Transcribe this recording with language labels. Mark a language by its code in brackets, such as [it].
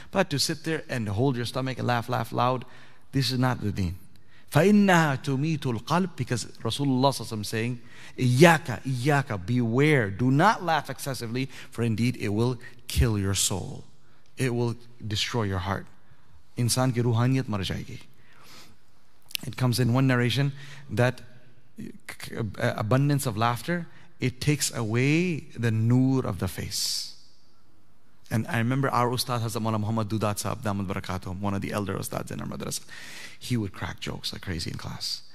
[en] But to sit there and hold your stomach and laugh loud, this is not the deen. [ar] فَإِنَّهَا تُمِيتُ الْقَلْبِ, [en] because Rasulullah is saying, [ar] إِيَّاكَ, [en] beware, do not laugh excessively, for indeed it will kill your soul. It will destroy your heart. [ur] انسان کی روحانیت مر جائے گی. [en] It comes in one narration that abundance of laughter, it takes away the noor of the face. And I remember our ustad Hazrat Maulana Muhammad Dudat Sahab, damat barakatuh, one of the elder ustads in our madrasa, he would crack jokes like crazy in class.